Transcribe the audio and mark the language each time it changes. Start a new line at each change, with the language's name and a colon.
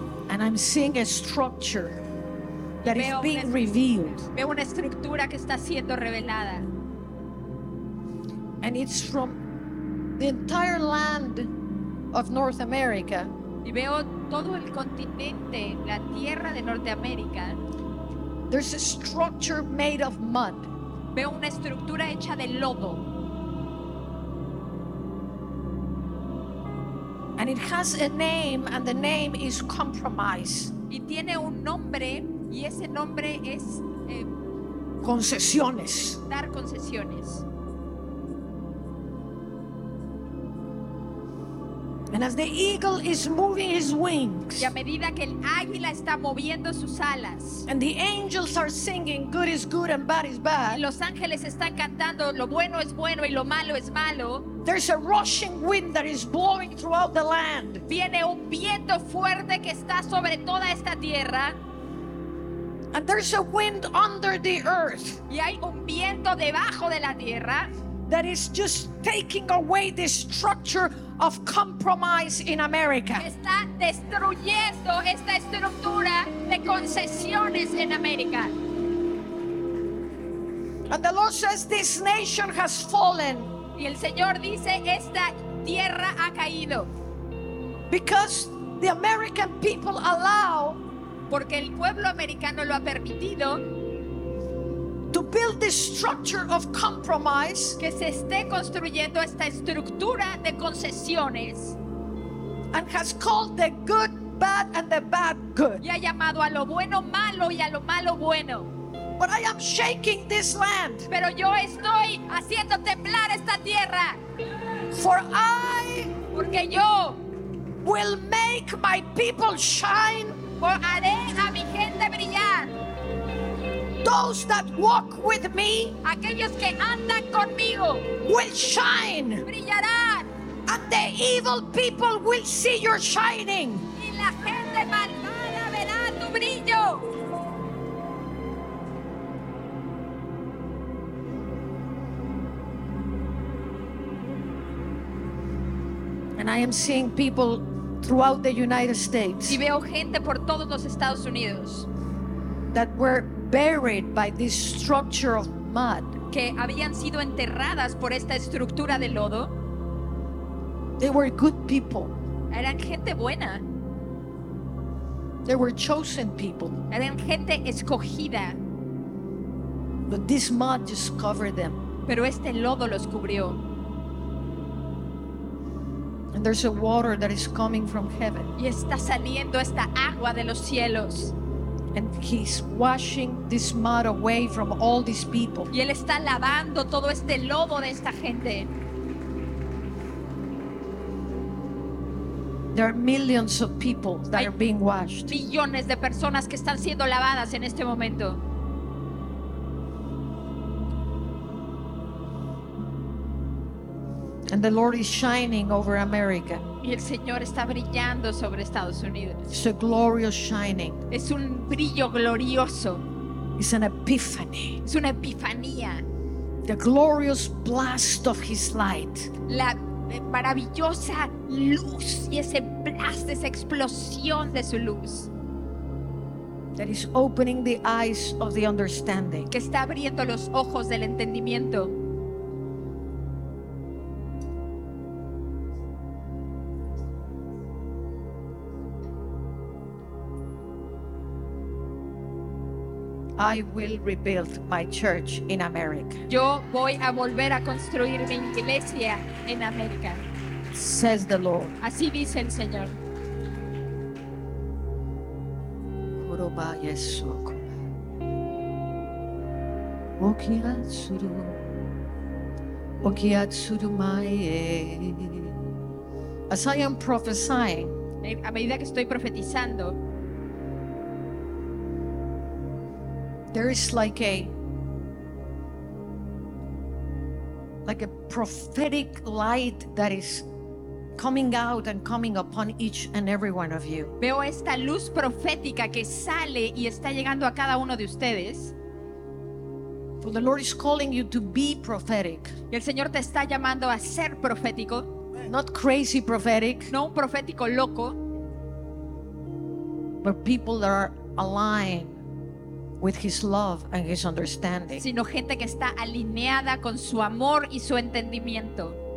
English: And I'm seeing a structure that is being revealed.
Spanish: Veo una estructura que está siendo revelada.
English: And it's from the entire land of North America.
Spanish: Y veo todo el continente, la tierra de Norteamérica.
English: There's a structure made of mud.
Spanish: Veo una estructura hecha de lodo.
English: And it has a name, and the name is compromise.
Spanish: Y tiene un nombre, y ese nombre es concesiones. Dar concesiones.
English: And as the eagle is moving his wings,
Spanish: y a medida que el águila está moviendo sus alas,
English: and the angels are singing, good is good and bad is bad,
Spanish: y los ángeles están cantando, lo bueno es bueno y lo malo es malo,
English: there's a rushing wind that is blowing throughout the land.
Spanish: Viene un viento fuerte que está sobre toda esta tierra.
English: And there's a wind under the earth.
Spanish: Y hay un viento debajo de la tierra.
English: That is just taking away the structure of compromise in America.
Spanish: Está destruyendo esta estructura de concesiones en América.
English: And the Lord says, this nation has fallen.
Spanish: Y el Señor dice, esta tierra ha caído.
English: Because the American people allow,
Spanish: porque el pueblo americano lo ha permitido,
English: to build this structure of compromise,
Spanish: que se esté construyendo esta estructura de concesiones,
English: and has called the good bad and the bad good,
Spanish: y ha llamado a lo bueno malo y a lo malo bueno.
English: But I am shaking this land,
Spanish: pero yo estoy haciendo temblar esta tierra.
English: For I,
Spanish: porque yo,
English: will make my people shine,
Spanish: por haré a mi gente brillar.
English: Those that walk with me,
Spanish: aquellos que andan conmigo,
English: will shine,
Spanish: brillarán.
English: And the evil people will see your shining,
Spanish: y la gente malvada verá tu brillo.
English: And I am seeing people throughout the United States.
Spanish: Y veo gente por todos los Estados Unidos.
English: That were buried by this structure of mud.
Spanish: Que habían sido enterradas por esta estructura de lodo.
English: They were good people.
Spanish: Eran gente buena.
English: They were chosen people.
Spanish: Eran gente escogida.
English: But this mud just covered them.
Spanish: Pero este lodo los cubrió.
English: And there's a water that is coming from heaven.
Spanish: Y está saliendo esta agua de los cielos.
English: And he's washing this mud away from all these people.
Spanish: Y él está lavando todo este lodo de esta gente.
English: There are millions of people that are being washed.
Spanish: Millones de personas que están siendo lavadas en este momento.
English: And the Lord is shining over America.
Spanish: Y el Señor está brillando sobre Estados Unidos.
English: It's a glorious shining.
Spanish: Es un brillo glorioso.
English: It's an epiphany.
Spanish: Es una epifanía.
English: The glorious blast of His light.
Spanish: La maravillosa luz y ese blast, esa explosión de su luz.
English: That is opening the eyes of the understanding.
Spanish: Que está abriendo los ojos del entendimiento.
English: I will rebuild my church in America.
Spanish: Yo voy a volver a construir mi iglesia en América.
English: Says the Lord.
Spanish: Así dice el Señor. Joroba Yesuk. Okiatsuru. Okiatsuru mae.
English: As I am prophesying.
Spanish: A medida que estoy profetizando.
English: There is like a prophetic light that is coming out and coming upon each and every one of you.
Spanish: Veo esta luz profética que sale y está llegando a cada uno de ustedes.
English: For the Lord is calling you to be prophetic.
Spanish: Y el Señor te está llamando a ser profético.
English: Not crazy prophetic.
Spanish: No un profético loco.
English: But people that are aligned with His love and His understanding.
Spanish: Sino gente que está alineada con su amor y su entendimiento.